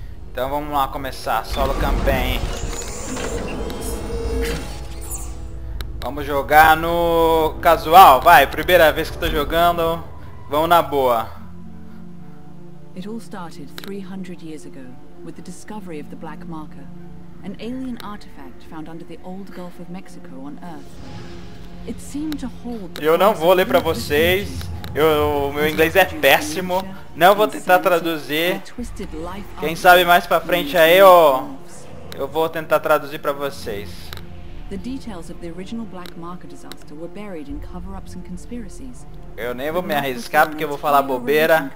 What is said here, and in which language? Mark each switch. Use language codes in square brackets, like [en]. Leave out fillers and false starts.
[pt] Então vamos lá começar, solo campaign. Vamos jogar no casual, vai, primeira vez que tô jogando, vamos na boa. [en] It all started 300 years ago with the discovery of the Black Marker, an alien artifact found under the old Gulf of Mexico on Earth. It seemed to hold. [pt] Eu não vou ler para vocês. Meu inglês é péssimo. Não vou tentar traduzir. Quem sabe mais para frente aí eu vou tentar traduzir para vocês. [en] The details of the original Black Marker disaster were buried in cover-ups and conspiracies. [pt] Eu nem vou me arriscar porque eu vou falar bobeira.